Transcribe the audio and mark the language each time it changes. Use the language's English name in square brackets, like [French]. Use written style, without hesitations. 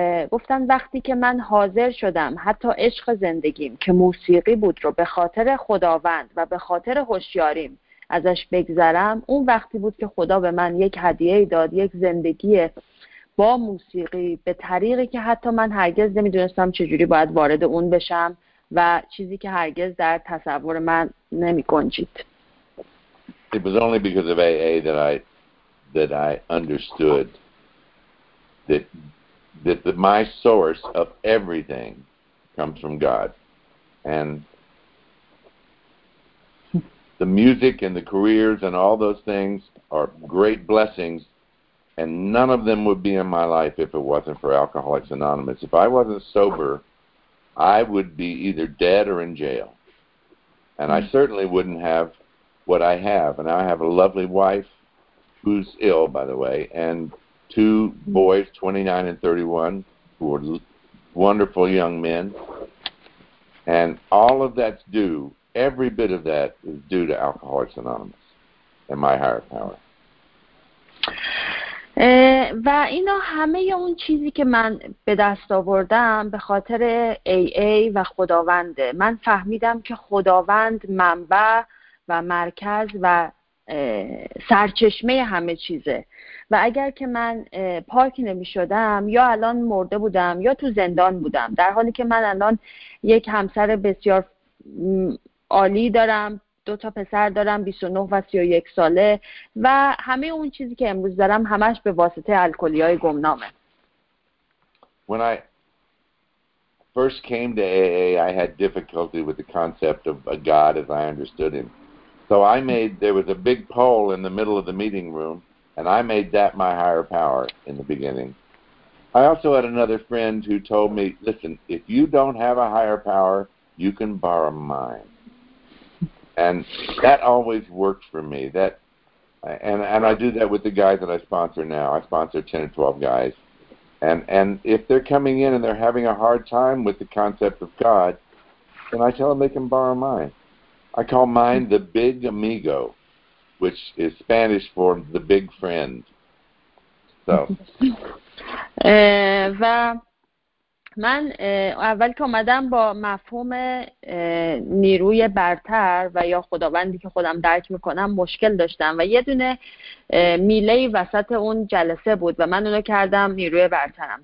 [Persian] گفتن وقتی که من حاضر شدم حتی عشق زندگیم که موسیقی بود رو به خاطر خداوند و به خاطر هوشیاریم ازش بگذرم، اون وقتی بود که خدا به من یک هدیه داد، یک زندگی با موسیقی به طریقی که حتی من هرگز نمیدونستم چجوری باید وارد اون بشم و چیزی که هرگز در تصور من نمی گنجید. [English] It was only because of AA that I understood that my source of everything comes from God. And the music and the careers and all those things are great blessings, and none of them would be in my life if it wasn't for Alcoholics Anonymous. If I wasn't sober, I would be either dead or in jail. And I certainly wouldn't have what I have. And I have a lovely wife who's ill, by the way, and 2 boys, 29 and 31, who are wonderful young men. And all of that's due, every bit of that is due to Alcoholics Anonymous and my higher power. [Persian] و اینا همه اون چیزی که من به دست آوردم به خاطر AA و خداونده. من فهمیدم که خداوند منبع و مرکز و سرچشمه همه چیزه و اگر که من پاک نمی شدم یا الان مرده بودم یا تو زندان بودم، در حالی که من الان یک همسر بسیار عالی دارم، 2 تا پسر دارم، 29 و 31 ساله و همه اون چیزی که امروز دارم همش به واسطه الکلیای گمنامه. [English] When I first came to AA, I had difficulty with the concept of a God as I understood him. So I made, there was a big pole in the middle of the meeting room, and I made that my higher power in the beginning. I also had another friend who told me, listen, if you don't have a higher power, you can borrow mine. And that always worked for me. And I do that with the guys that I sponsor now. I sponsor 10 or 12 guys. And if they're coming in and they're having a hard time with the concept of God, then I tell them they can borrow mine. I call mine the Big Amigo, which is Spanish for the big friend. So. [Persian] و من اول که اومدم با مفهوم نیروی برتر و یا خداوندی که خودم درک میکنم مشکل داشتم و یه دونه میله وسط اون جلسه بود و من اونو کردم نیروی برترم.